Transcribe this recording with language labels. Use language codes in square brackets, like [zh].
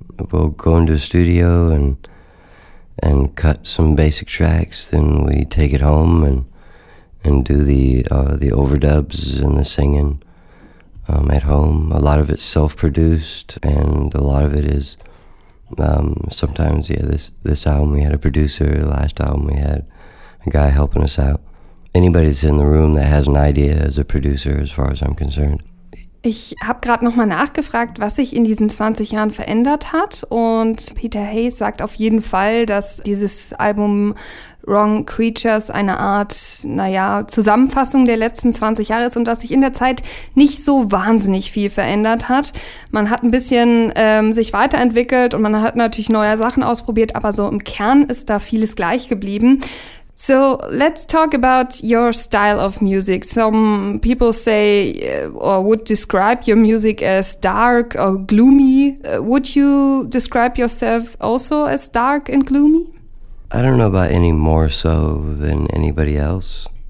[en] We'll go into a studio and cut some basic tracks, then we take it home and do the overdubs and the singing at home. A lot of it's self-produced, and a lot of it is sometimes, yeah, this album we had a producer, the last album we had a guy helping us out. Anybody that's in the room that has an idea is a producer, as far as I'm concerned. [de] Ich habe gerade nochmal nachgefragt, was sich in diesen 20 Jahren verändert hat. Und Peter Hayes sagt auf jeden Fall, dass dieses Album Wrong Creatures eine Art, naja, Zusammenfassung der letzten 20 Jahre ist und dass sich in der Zeit nicht so wahnsinnig viel verändert hat. Man hat ein bisschen sich weiterentwickelt und man hat natürlich neue Sachen ausprobiert, aber so im Kern ist da vieles gleich geblieben. [en] So let's talk about your style of music. Some people say or would describe your music as dark or gloomy. Would you describe yourself also as dark and gloomy? I don't know about any more so than anybody else.